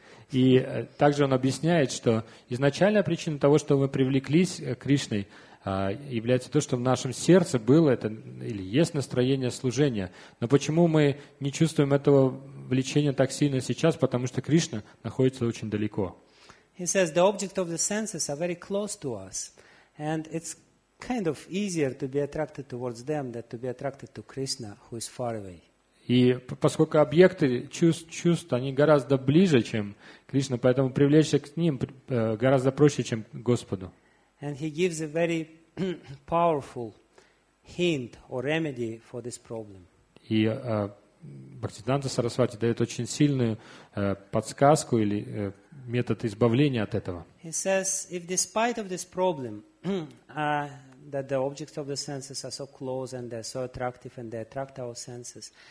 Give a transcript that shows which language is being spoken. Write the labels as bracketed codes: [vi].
[ru] И также он объясняет, что изначальная причина того, что мы привлеклись к Кришне, является то, что в нашем сердце было это или есть настроение служения. Но почему мы не чувствуем этого влечения так сильно сейчас? Потому что Кришна находится очень далеко. [en] He says the object of the senses are very close to us, and it's kind of easier to be attracted towards them than to be attracted to Krishna, who is far away. [ru] И поскольку объекты чувств, они гораздо ближе, чем Кришна, поэтому привлечься к ним гораздо проще, чем к Господу. [en] And he gives a very powerful hint or remedy for this problem. [ru] И Бхактисиддханта Сарасвати дает очень сильную подсказку или метод избавления от этого. [en] He says, if despite of this problem, that the objects of the senses are so close and they're so attractive and they attract our senses.